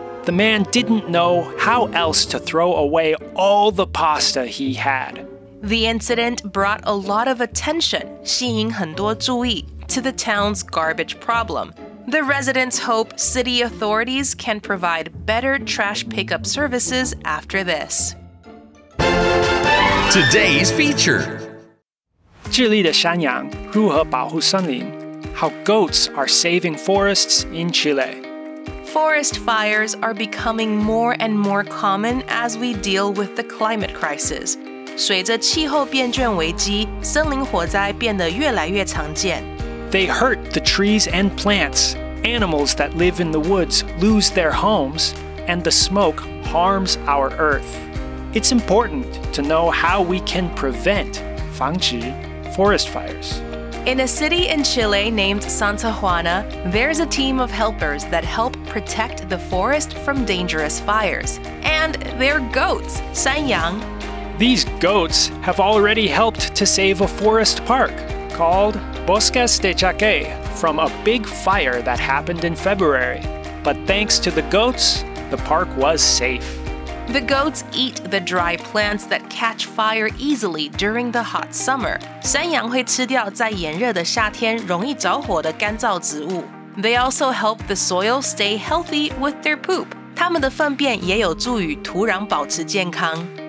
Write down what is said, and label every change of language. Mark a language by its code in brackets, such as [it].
[en] The man didn't know how else to throw away all the pasta he had. The incident brought a lot of attention, [zh] 吸引很多注意, [en] to the town's garbage problem. The residents hope city authorities can provide better trash pickup services after this. Today's feature. [zh] 智利的山羊如何保护森林? [en] How goats are saving forests in Chile. Forest fires are becoming more and more common as we deal with the climate crisis. [zh] 随着气候变倦危机，森林火灾变得越来越常见。 [en] They hurt the trees and plants. Animals that live in the woods lose their homes, and the smoke harms our earth. It's important to know how we can prevent [zh] 防止 [en] forest fires. In a city in Chile named Santa Juana, there's a team of helpers that help protect the forest from dangerous fires. And they're goats, Sanyang. These goats have already helped to save a forest park called Bosques de Chaque from a big fire that happened in February. But thanks to the goats, the park was safe. The goats eat the dry plants that catch fire easily during the hot summer. [zh] 山羊会吃掉在炎热的夏天容易着火的干燥植物. [en] They also help the soil stay healthy with their poop. [zh] 它们的粪便也有助于土壤保持健康.